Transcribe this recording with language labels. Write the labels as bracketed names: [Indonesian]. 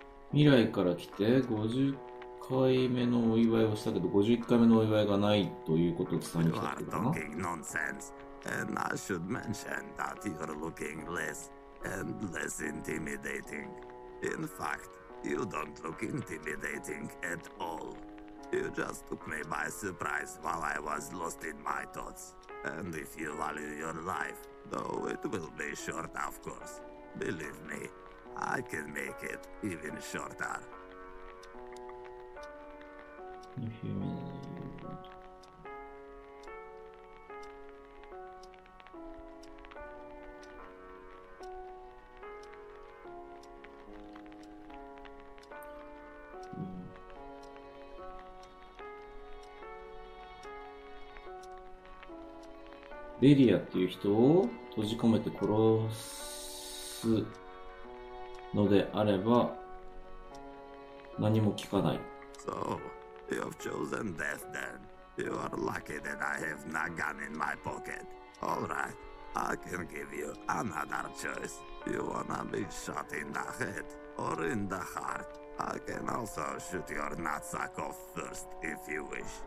[Japanese] 未来から来て50回目のお祝いをしたけど、51回目のお祝いがないということを伝えに来たってことかな。 [English] You are talking nonsense, and I should mention that you're looking less and less intimidating. In fact, you don't look intimidating at all. You just took me by surprise while I was lost in my thoughts. And if you value your life, though it will be short of course, believe me,I can make it even shorter. If you mean... [Japanese] ベリアっていう人を閉じ込めて殺すのであれば何も聞かない。 [English] So, you've chosen death then. You are lucky that I have no gun in my pocket. Alright, I can give you another choice. You wanna be shot in the head or in the heart. I can also shoot your nutsack off first if you wish.